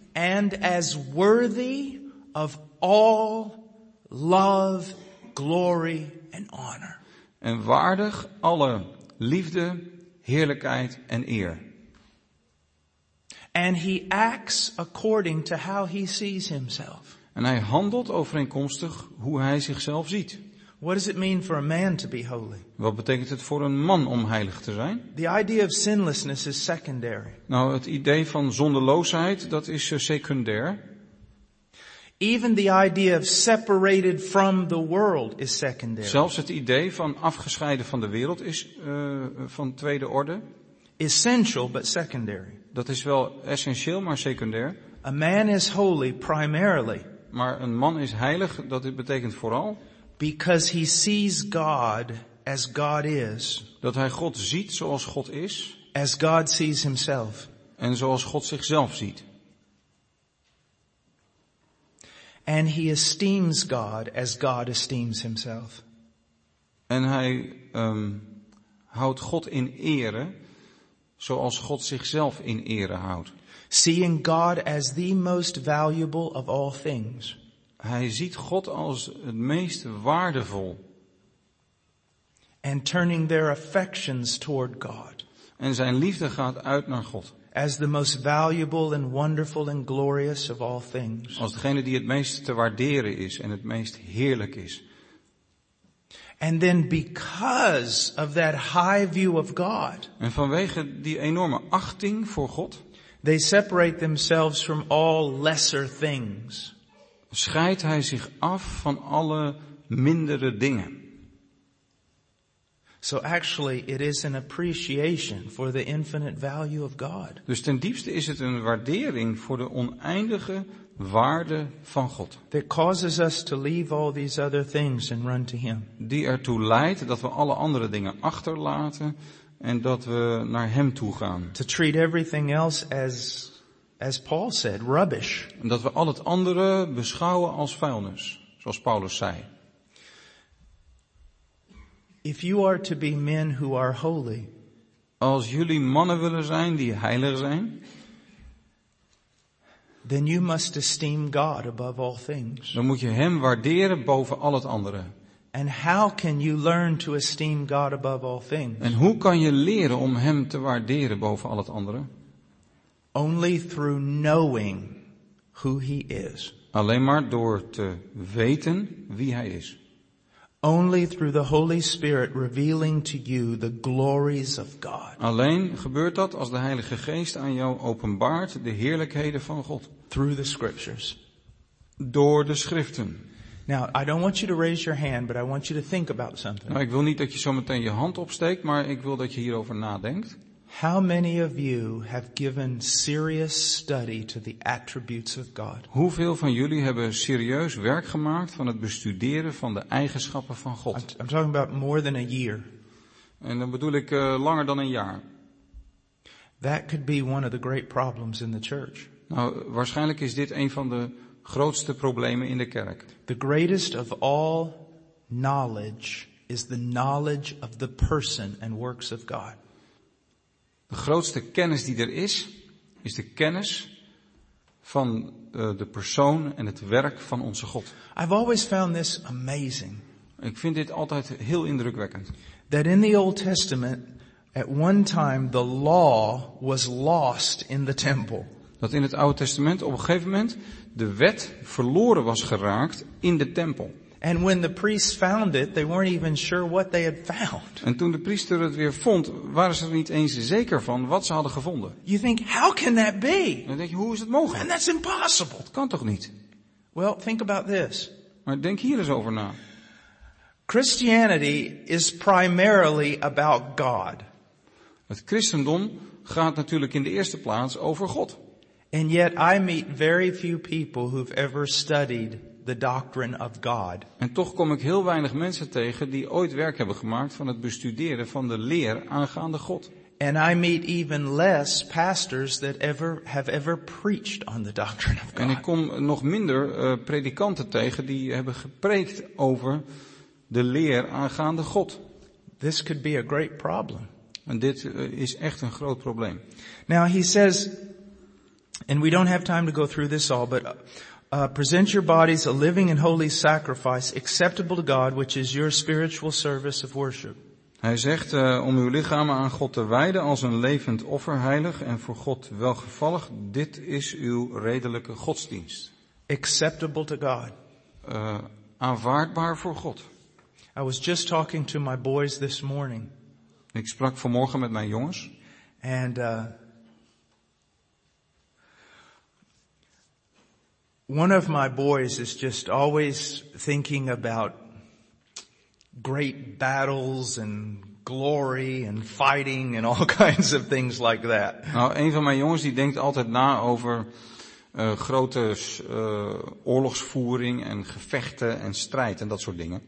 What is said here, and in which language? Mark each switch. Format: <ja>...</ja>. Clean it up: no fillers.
<en>And as worthy of all love, glory and honor.</en> <nl>En waardig alle liefde, heerlijkheid en eer.</nl> <en>And he acts according to how he sees himself.</en> <nl>En hij handelt overeenkomstig hoe hij zichzelf ziet.</nl> <en>What does it mean for a man to be holy?</en> <nl>Wat betekent het voor een man om heilig te zijn?</nl> <en>The idea of sinlessness is secondary.</en> <nl>Nou, het idee van zondeloosheid, dat is secundair.</nl> <en>Even the idea of separated from the world is secondary.</en> <nl>Zelfs het idee van afgescheiden van de wereld is van tweede orde.</nl> <en>Essential but secondary.</en> <nl>Dat is wel essentieel, maar secundair.</nl> <en>A man is holy primarily.</en> <nl>Maar een man is heilig, dat betekent vooral.</nl> <en>Because he sees God as God is.</en> <nl>Dat hij God ziet zoals God is.</nl> <en>As God sees himself.</en> <nl>En zoals God zichzelf ziet.</nl> <en>And he esteems God as God esteems himself.</en> <nl>En hij houdt God in ere. Zoals God zichzelf in ere houdt.</nl> <en>Seeing God as the most valuable of all things.</en> <nl>Hij ziet God als het meest waardevol.</nl> <en>And turning their affections toward God.</en> <nl>En zijn liefde gaat uit naar God.</nl> <en>As the most valuable and wonderful and glorious of all things.</en> <nl>Als degene die het meest te waarderen is en het meest heerlijk is.</nl> <en>And then because of that high view of God.</en> <nl>En vanwege die enorme achting voor God.</nl> <en>They separate themselves from all lesser things.</en> <nl>Scheidt hij zich af van alle mindere dingen.</nl> <en>So actually it is an appreciation for the infinite value of God.</en> <nl>Dus ten diepste is het een waardering voor de oneindige waarde van God.</nl> <en>That causes us to leave all these other things and run to him.</en> <nl>Die ertoe leidt dat we alle andere dingen achterlaten en dat we naar hem toe gaan.</nl> <en>To treat everything else as Paul said, rubbish.</en> <nl>Dat we al het andere beschouwen als vuilnis, zoals Paulus zei.</nl> <en>If you are to be men who are holy,</en> <nl>als jullie mannen willen zijn die heilig zijn,</nl> <en>then you must esteem God above all things.</en> <nl>Dan moet je hem waarderen boven al het andere.</nl> <en>And how can you learn to esteem God above all things?</en> <nl>En hoe kan je leren om hem te waarderen boven al het andere?</nl> <en>Only through knowing who he is.</en> <nl>Alleen maar door te weten wie hij is.</nl> <en>Only through the Holy Spirit revealing to you the glories of God.</en> <nl>Alleen gebeurt dat als de Heilige Geest aan jou openbaart de heerlijkheden van God.</nl> <en>Through the scriptures.</en> <nl>Door de schriften.</nl> <en>Now, I don't want you to raise your hand, but I want you to think about something.</en> <nl>Nou, ik wil niet dat je zometeen je hand opsteekt, maar ik wil dat je hierover nadenkt.</nl> <en>How many of you have given serious study to the attributes of God?</en> <nl>Hoeveel van jullie hebben serieus werk gemaakt van het bestuderen van de eigenschappen van God?</nl> <en>I'm talking about more than a year.</en> <nl>En dan bedoel ik langer dan een jaar.</nl> <en>That could be one of the great problems in the church.</en> <nl>Nou, waarschijnlijk is dit een van de grootste problemen in de kerk.</nl> <en>The greatest of all knowledge is the knowledge of the person and works of God.</en> <nl>De grootste kennis die er is, is de kennis van de persoon en het werk van onze God.</nl> <en>I've always found this amazing.</en> <nl>Ik vind dit altijd heel indrukwekkend.</nl> <en>That in the Old Testament, at one time, the law was lost in the temple.</en> <nl>Dat in het Oude Testament op een gegeven moment de wet verloren was geraakt in de tempel.</nl> <en>And when the priests found it, they weren't even sure what they had found.</en> <nl>En toen de priester het weer vond, waren ze er niet eens zeker van wat ze hadden gevonden.</nl> <en>You think, how can that be?</en> <nl>Dan denk je, hoe is het mogelijk?</nl> <en>And that's impossible.</en> <nl>Dat kan toch niet?</nl> <en>Well, think about this.</en> <nl>Maar denk hier eens over na.</nl> <en>Christianity is primarily about God.</en> <nl>Het christendom gaat natuurlijk in de eerste plaats over God.</nl> <en>And yet I meet very few people who've ever studied the doctrine of God.</en> <nl>En toch kom ik heel weinig mensen tegen die ooit werk hebben gemaakt van het bestuderen van de leer aangaande God.</nl> <en>And I meet even less pastors that ever have ever preached on the doctrine of God.</en> <nl>En ik kom nog minder predikanten tegen die hebben gepreekt over de leer aangaande God.</nl> <en>This could be a great problem.</en> <nl>En dit is echt een groot probleem.</nl> <en>Now he says, and we don't have time to go through this all, but present your bodies a living and holy sacrifice acceptable to God, which is your spiritual service of worship.</en> <nl>Hij zegt om uw lichamen aan God te wijden als een levend offer, heilig en voor God welgevallig. Dit is uw redelijke godsdienst.</nl> <en>Acceptable to God.</en> <nl>Aanvaardbaar voor God.</nl> <en>I was just talking to my boys this morning.</en> <nl>Ik sprak vanmorgen met mijn jongens.</nl> <en>And one of my boys is just always thinking about great battles and glory and fighting and all kinds of things like that.</en> <nl>Nou, een van mijn jongens die denkt altijd na over grote oorlogsvoering en gevechten en strijd en dat soort dingen.</nl>